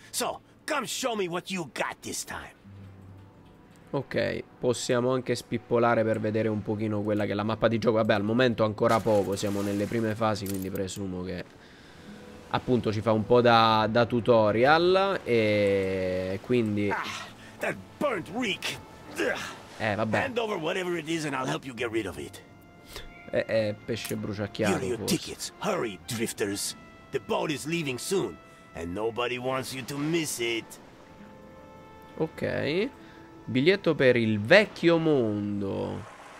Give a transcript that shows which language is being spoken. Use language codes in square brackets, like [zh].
[en] So, come show me what you got this time. [it] Ok, possiamo anche spippolare per vedere un pochino quella che è la mappa di gioco. Vabbè, al momento ancora poco, siamo nelle prime fasi, quindi presumo che appunto ci fa un po' da tutorial e quindi [en] that burnt reek. [it] Vabbè. [en] Hand over whatever it is and I'll help you get rid of it. [it] È pesce bruciacchiato. [en] Your tickets. Hurry, drifters. The boat is leaving soon and nobody wants you to miss it. [it] Ok. Biglietto per il vecchio mondo.